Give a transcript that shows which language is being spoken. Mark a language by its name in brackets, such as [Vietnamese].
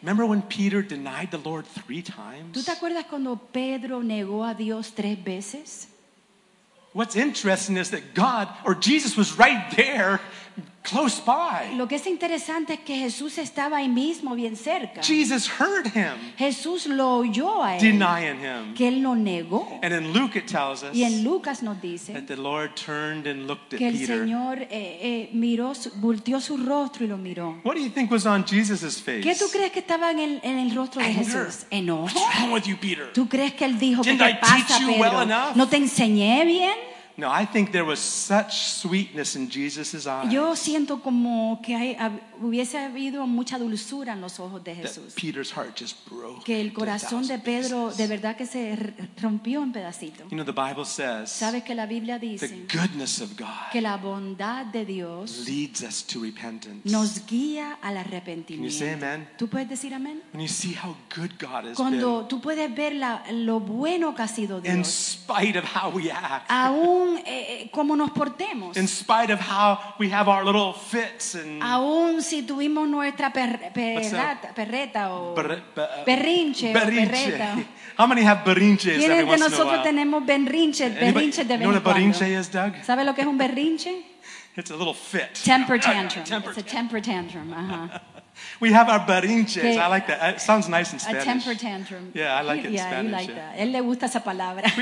[English] Remember when Peter denied the Lord three times? [Spanish] ¿Tú te acuerdas cuando Pedro negó a Dios tres veces? [English] What's interesting is that God or Jesus was right there close by. [Spanish] Lo que es interesante es que Jesús estaba ahí mismo bien cerca. [English] Jesus heard him. [Spanish] Jesús lo oyó a él. [English] Denying him. [Spanish] Que él lo negó. [English] And in Luke it tells us. [Spanish] Y en Lucas nos dice. [English] That the Lord turned and looked at [Spanish] que el [English] Peter. [Spanish] Señor miró, volteó su rostro y lo miró. [English] What do you think was on Jesus's face? [Spanish] ¿Qué tú crees que estaba en el rostro [English] anger. [Spanish] De Jesús? Enojo. [English] What's wrong with you, Peter? [Spanish] ¿Tú crees que él dijo [English] didn't [Spanish] que [English] I [Spanish] te pasa, [English] teach you [Spanish] Pedro? [English] Well enough? [Spanish] ¿No te enseñé bien? [English] No, I think there was such sweetness in Jesus' eyes. [Spanish] Yo siento como que hubiese habido mucha dulzura en los ojos de Jesús. [English] That Peter's heart just broke. [Spanish] Que el corazón de Pedro de verdad que se rompió en pedacitos. [English] You know the Bible says. [Spanish] Sabes que la Biblia dice. [English] The goodness of God. [Spanish] Que la bondad de Dios. [English] Leads us to repentance. [Spanish] Nos guía al arrepentimiento. [English] Can you say amen? [Spanish] ¿Tú puedes decir amén? [English] When you see how good God has [Spanish] Cuando tú puedes ver lo bueno que ha sido Dios. [English] In spite of how we act. [Spanish] Aún como nos portemos. [English] In spite of how we have our little fits and [Spanish] aun si tuvimos nuestra perreta o berrinche. [English] How many have berrinches every once in a while? [Spanish] ¿Quiénes de nosotros tenemos berrinches de vez en cuando? [English] You know what a berrinche is, Doug? [Spanish] ¿Sabe lo que es un berrinche? [English] It's a little fit. Temper tantrum. Temper it's a temper tantrum. We have our berrinches. I like that. It sounds nice in Spanish. A temper tantrum. Yeah, I like it in yeah, Spanish. You like yeah. That. [Spanish] Él le gusta esa palabra.